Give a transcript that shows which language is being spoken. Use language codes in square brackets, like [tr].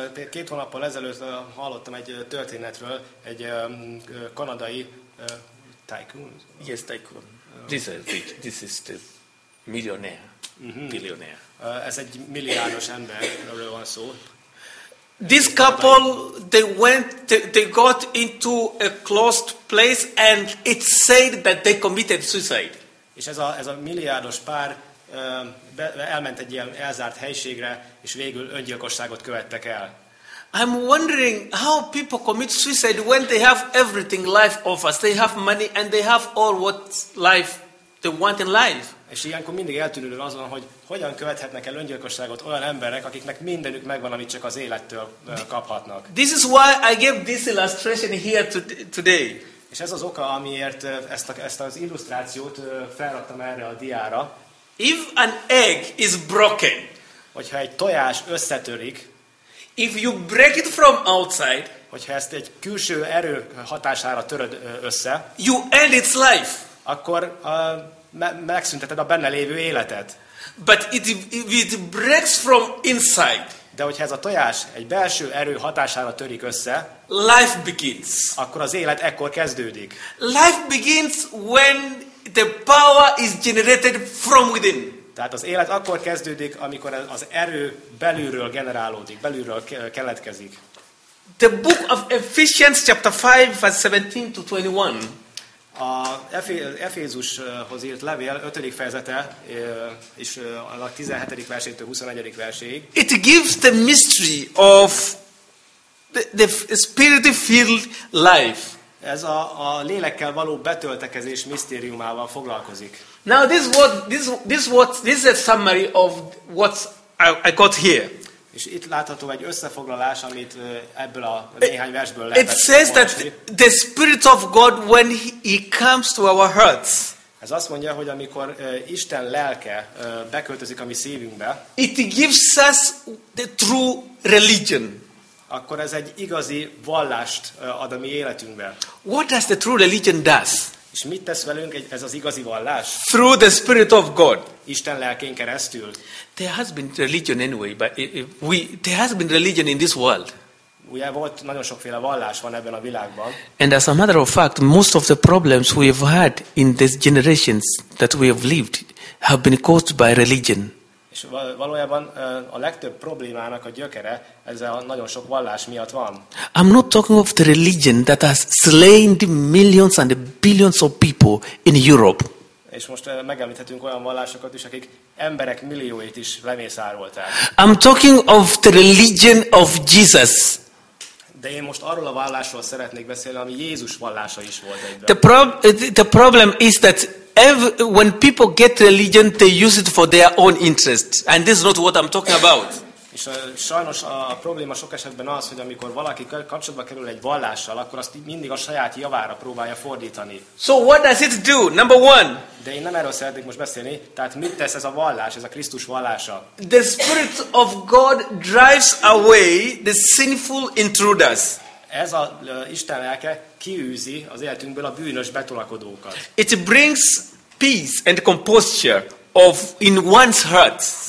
[hu] Két hónappal ezelőtt hallottam egy történetről, egy kanadai tycoon. [en] Yes, tycoon. This is the millionaire. Mm-hmm. Billionaire. [hu] Ez egy milliárdos emberről van szó. [en] This couple, they got into a closed place, and it said that they committed suicide. [hu] És ez a milliárdos pár elment egy ilyen elzárt helyiségre, és végül öngyilkosságot követtek el. [en] I'm wondering how people commit suicide when they have everything life offers. They have money and they have all what life they want in life. [hu] És ilyenkor mindig eltűnődöm azon, hogy hogyan követhetnek el öngyilkosságot olyan emberek, akiknek mindenük megvan, amit csak az élettől kaphatnak. [en] This is why I gave this illustration here today. [hu] És ez az oka, amiért ezt az illusztrációt felraktam erre a diára. [en] If an egg is broken, [hu] hogyha egy tojás összetörik, [en] if you break it from outside, [hu] hogyha ezt egy külső erő hatására töröd össze, [en] you end its life, [hu] akkor megszünteted a benne lévő életet. [en] But it breaks from inside. [hu] De hogyha ez a tojás egy belső erő hatására törik össze, [en] life begins. [hu] Akkor az élet ekkor kezdődik. [en] Life begins when the power is generated from within. [hu] Tehát az élet akkor kezdődik, amikor az erő belülről generálódik, belülről keletkezik. [en] The book of Ephesians chapter 5 verse 17 to 21. [hu] A Efézushoz írt levél 5. fejezete és a 17. versétől 21. verséig. [en] It gives the mystery of the spirit-filled life. [hu] Ez a lélekkel való betöltekezés misztériumával foglalkozik. [en] Now this is a summary of what I got here. [hu] És itt látható egy összefoglalás, amit ebből a néhány versből lehet. [en] It says that the Spirit of God when he comes to our hearts. [hu] Ez azt mondja, hogy amikor Isten lelke beköltözik a mi szívünkbe. [en] It gives us the true religion. [hu] Akkor ez egy igazi vallást ad a mi életünkbe. [en] What does the true religion does? [hu] És mit tesz velünk ez az igazi vallás? [en] Through the Spirit of God. [hu] Isten lelkén keresztül. [en] There has been religion anyway, but there has been religion in this world. [hu] Ugye volt nagyon sokféle vallás van ebben a világban. [en] And as a matter of fact, most of the problems we have had in these generations that we have lived have been caused by religion. [hu] És valójában a legtöbb problémának a gyökere ezzel a nagyon sok vallás miatt van. [en] I'm not talking of the religion that has slain millions and billions of people in Europe. [hu] És most megemlíthetünk olyan vallásokat is, akik emberek millióit is lemészárolták. [en] I'm talking of the religion of Jesus. [hu] De én most arról a vallásról szeretnék beszélni, ami Jézus vallása is volt egyben. [en] The problem is that when people get religion, they use it for their own interest, and this is not what I'm talking about. [hu] És sajnos a probléma sok esetben az, hogy amikor valaki kapcsolatba kerül egy vallással, akkor azt mindig a saját javára próbálja fordítani. [en] So what does it do? Number one. [hu] De én nem erről szeretnék most beszélni. Tehát mit tesz ez a vallás, ez a Krisztus vallása? [en] The Spirit of God drives away the sinful intruders. [hu] Ez a Isten lelke kiűzi az életünkből a bűnös betolakodókat. [en] It brings peace and composure of in one's heart.